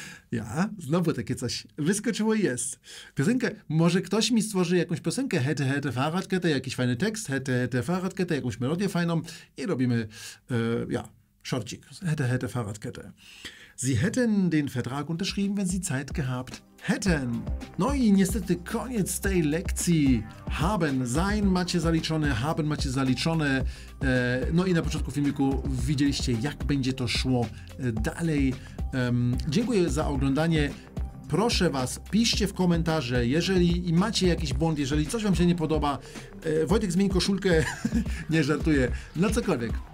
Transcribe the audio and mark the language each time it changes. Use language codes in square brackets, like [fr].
[pl] Ja, znowu takie coś wyskoczyło i jest. Piosenkę, może ktoś mi stworzy jakąś piosenkę. [de] Hätte, Fahrradkette, [pl] jakiś fajny tekst. Hätte, Fahrradkette, jakąś melodię fajną. I robimy, szorcik. [de] Hätte, Fahrradkette. Sie hätten den Vertrag unterschrieben, wenn sie Zeit gehabt hätten. [pl] No i niestety koniec tej lekcji. Haben, sein macie zaliczone, haben macie zaliczone. No i na początku filmiku widzieliście, jak będzie to szło dalej. Dziękuję za oglądanie. Proszę was, piszcie w komentarze, jeżeli macie jakiś błąd, jeżeli coś wam się nie podoba. Wojtek, zmień koszulkę. Nie żartuję. No cokolwiek.